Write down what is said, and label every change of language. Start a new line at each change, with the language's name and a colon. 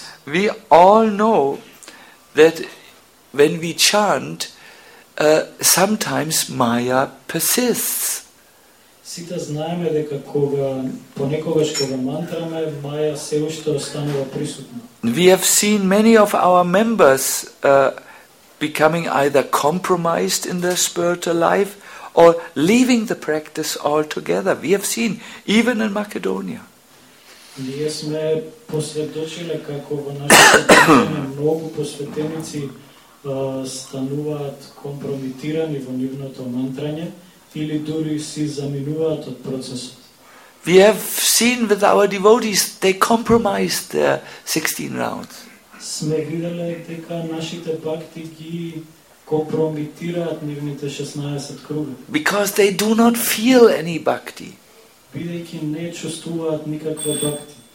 English: We all know that when we chant, sometimes Maya persists.
Macedonian: Сите знаеме дека кога понекогаш кога мантраме, Maya се уште останува присутна.
English: We have seen many of our members becoming either compromised in their spiritual life or leaving the practice altogether. We have seen even in Macedonia.
Macedonian: Ние сме посветочиле како во нашите многу посветеници стануваат компромитирани во нивното мантрање или дури си заминуваат од процесот.
English: We have seen with our devotees they compromised their 16 rounds.
Macedonian: Сме виделе дека нашите бхакти ги компромитираат нивните 16 круга.
English: Because they do not feel any bhakti.
Macedonian: Бидејќи не чувствуваат никаква бхакти.